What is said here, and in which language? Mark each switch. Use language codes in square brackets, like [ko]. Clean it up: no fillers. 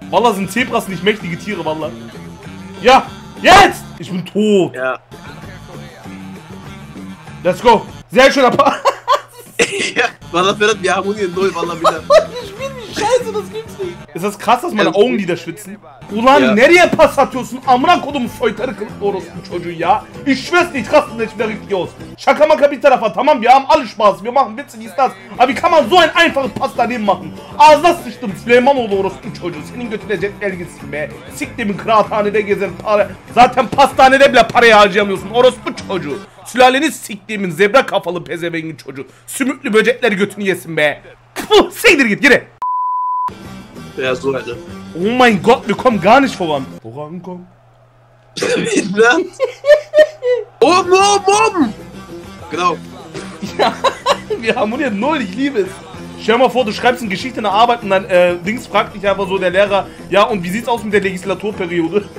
[de] Wallah sind Zebras nicht mächtige Tiere, Wallah. Ja, jetzt! Ich bin tot. Ja. [en] Let's go. [de] Sehr schöner Pass. Ja, Wallah, wir haben hier null, Wallah wieder. Ich spiel wie scheiße, das gibt's nicht. Ist das krass, dass meine Augenlider schwitzen? [tr] Ulan, nereye pasatıyorsun? Amına kodum soytarıkın orospu çocuğu ya. [de] Ich schwör's nicht, krass, dass ich wieder richtig aus. [tr] Şaka maka bir tarafa, tamam, [de] wir haben alle Spaß, wir machen Witze, dies, das. Aber wie kann man so ein einfaches Pass daneben machen? [tr] Ağzına sıçtım, Süleyman oğlu orospu çocuğu. Senin götüne cetvel gitsin be. Sik demin kıraathanede gezen para. Zaten pastanede bile parayı harcayamıyorsun, orospu çocuğu. Sülaleni siktiğimin zebra kafalı pezevengin çocuğu. Sümüklü böcekler götünü yesin be. Puh, siktir git, yine. Ya, so halde. [de] Oh mein Gott, wir kommen gar nicht voran. Woran kommen? Wie ist das? Oben, oben, oben! Genau. Ja, wir harmonieren null, ich liebe es. Stell dir mal vor, du schreibst eine Geschichte in der Arbeit und dann links fragt dich einfach so der Lehrer, ja, und wie sieht's aus mit der Legislaturperiode?